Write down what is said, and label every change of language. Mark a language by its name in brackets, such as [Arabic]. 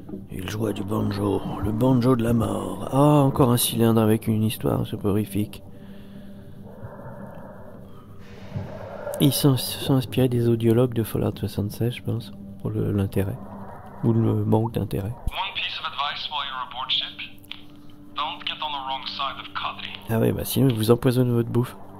[French] Il joua du banjo, le banjo de la mort. Ah, encore un cylindre avec une histoire soporifique. Ils sont inspirés des audiologues de Fallout 76, je pense, pour l'intérêt. Ou le manque d'intérêt. [English] One piece of advice while you're aboard ship. Don't get on the wrong side of Cuddy. [French] Ah ouais, bah sinon, il vous empoisonne votre bouffe.